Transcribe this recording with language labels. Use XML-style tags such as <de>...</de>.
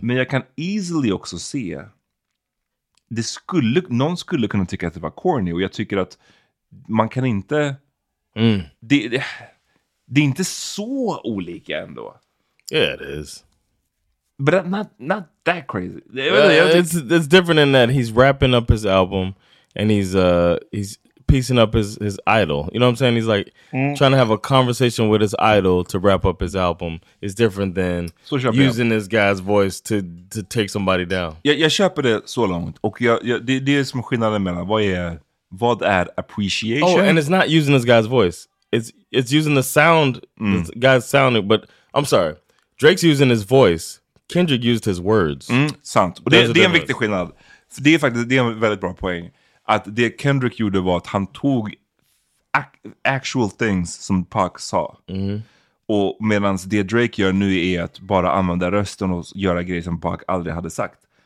<sv>Men jag kan easily också se, det skulle, någon skulle kunna tycka att det var corny, och jag tycker att man kan inte... Mm. Det är inte så olika ändå.</sv> <en>Yeah, it is. But not that crazy. It's different in that he's wrapping up his album and he's piecing up his idol. You know what I'm saying? He's like trying to have a conversation with his idol to wrap up his album. It's different than using this guy's voice to take somebody down.</en> <sv>Jag köper det så långt. Och det är som skillnaden mellan vad är appreciation?</sv> <en>Oh, and it's not using this guy's voice. It's using the sound, this guy's sound, but I'm sorry. Drake's using his voice. Kendrick used his words.</en> <sv>Mm, sant. Och det är en viktig skillnad. Det är faktiskt, det är en väldigt bra poäng. Att det Kendrick gjorde var att han tog</sv> <en>actual things</en> <sv>som Pac sa. Mm. Och medan det Drake gör nu är att bara använda rösten och göra grejer som Pac aldrig hade sagt.</sv>